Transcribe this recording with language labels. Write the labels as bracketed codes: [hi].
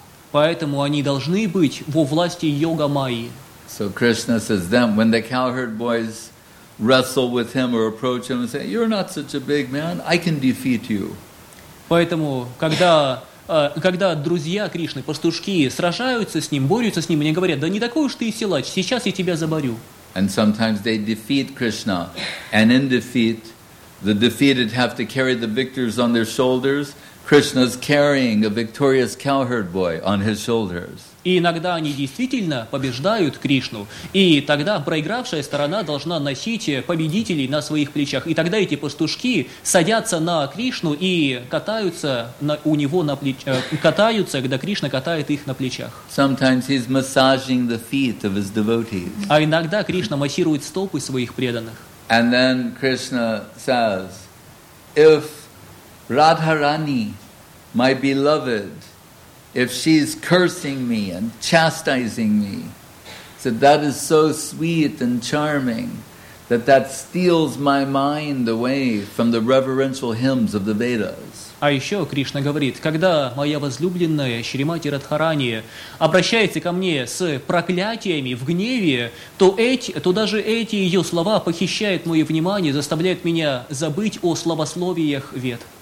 [ru] Поэтому они должны быть во власти йога-майи. [en] So Krishna says them, when the cowherd boys wrestle with him or approach him and say, you're not such a big man, I can defeat you. [ru] Поэтому, когда друзья Кришны, пастушки, сражаются с ним, борются с ним, они говорят, да не такой уж ты и силач, сейчас я тебя заборю. [en] And sometimes they defeat Krishna. And in defeat, the defeated have to carry the victors on their shoulders. Krishna's carrying a victorious cowherd boy on his shoulders. [ru] И иногда они действительно побеждают Кришну. И тогда проигравшая сторона должна носить победителей на своих плечах. И тогда эти пастушки садятся на Кришну и катаются у него на плечах. Катаются, когда Кришна катает их на плечах. [en] Sometimes he's massaging the feet of his devotees. [ru] А иногда Кришна массирует стопы своих преданных. [en] And then Krishna says, if Radharani, my beloved, if she's cursing me and chastising me, so that is so sweet and charming that that steals my mind away from the reverential hymns of the Vedas. [ru] А еще Кришна говорит, когда моя возлюбленная Шримати Радхарани обращается ко мне с проклятиями в гневе, то даже эти ее слова похищают мое внимание, заставляют меня забыть о словословиях Вед.